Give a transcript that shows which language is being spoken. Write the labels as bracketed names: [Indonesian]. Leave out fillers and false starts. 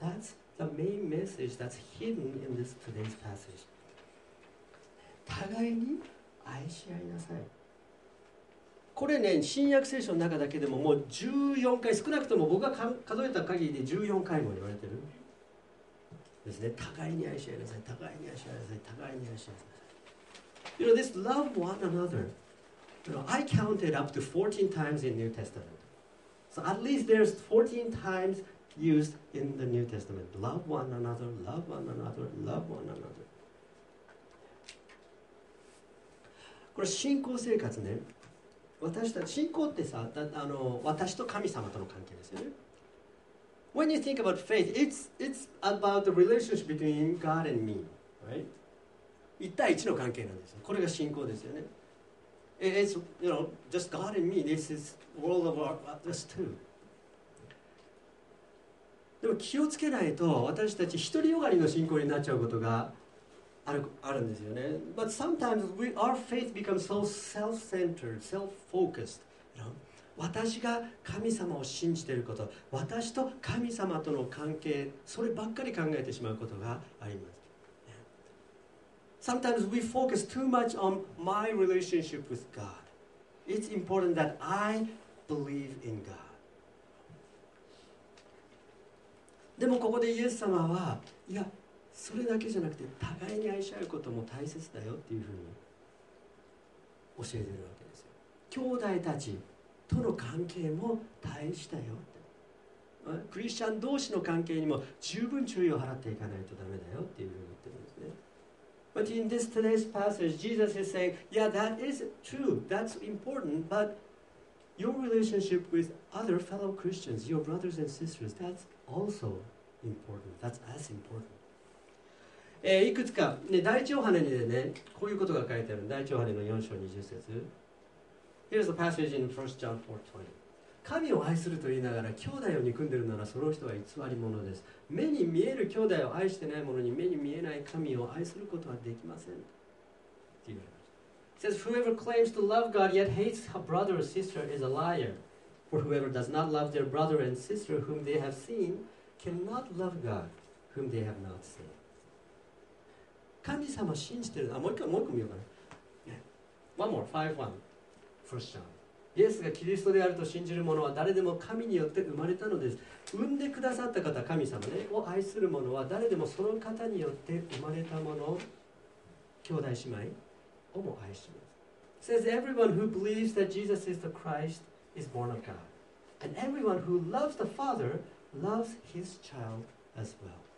[English] That's the main message that's hidden in this today's passage. [Japanese] 互いに愛し合いなさい。これね、新約聖書の中だけでももう14回、少なくとも僕が数えた限りで14回も言われてる。ですね、互いに愛し合いなさい、互いに愛し合いなさい、互いに愛し合いなさい。 [English] You know, this love one another, you know, I counted up to 14 times in New Testament. So at least there's 14 times used in the New Testament. Love one another, love one another, love one another. [Japanese] これ信仰生活ね。私たち信仰ってさ、あの私と神様との関係ですよね。 [English] When you think about faith, it's about the relationship between God and me, right? [Japanese] 一対一の関係なんですよ。これが信仰ですよね。 [English] It's, you know, just God and me. This is world of us too. [Japanese] でも気をつけないと私たち独りよがりの信仰になっちゃうことがあるんですよね。 [English] But sometimes our faith becomes so self-centered, self-focused. You know? [Japanese] 私が神様を信じていること、私と神様との関係、そればっかり考えてしまうことがあります。 [English] Sometimes we focus too much on my relationship with God. It's important that I believe in God. [Japanese] でもここでイエス様は、いや、それだけじゃなくて互いに愛し合うことも大切だよっていうふうに教えてるわけですよ。兄弟たちとの関係も大事だよって。クリスチャン同士の関係にも十分注意を払っていかないとダメだよっていうふうに言ってるんですね。 [English] But in this today's passage, Jesus is saying, yeah, that is true, that's important, but your relationship with other fellow Christians, your brothers and sisters, that's also important, that's as important. [Japanese] いくつか、ね、第一ヨハネにね、こういうことが書いてある。第一ヨハネの4章20節。 [English] Here's a passage in 1 John 4:20. [Japanese] 神を愛すると言いながら、兄弟を憎んでるなら、その人は偽り者です。目に見える兄弟を愛してない者に目に見えない神を愛することはできません。って言われました。 [English] It says, whoever claims to love God yet hates a brother or sister is a liar. For whoever does not love their brother and sister whom they have seen cannot love God whom they have not seen. [Japanese] 神様を信じてる。あ、もう一個見ようかな。 [English] Yeah. One more, 5:1. First John. [Japanese] イエスがキリストであると信じる者は誰でも神によって生まれたのです。産んでくださった方、神様、ね、を愛する者は誰でもその方によって生まれた者、兄弟姉妹をも愛します。 [English] It says, everyone who believes that Jesus is the Christ is born of God. And everyone who loves the Father loves his child as well.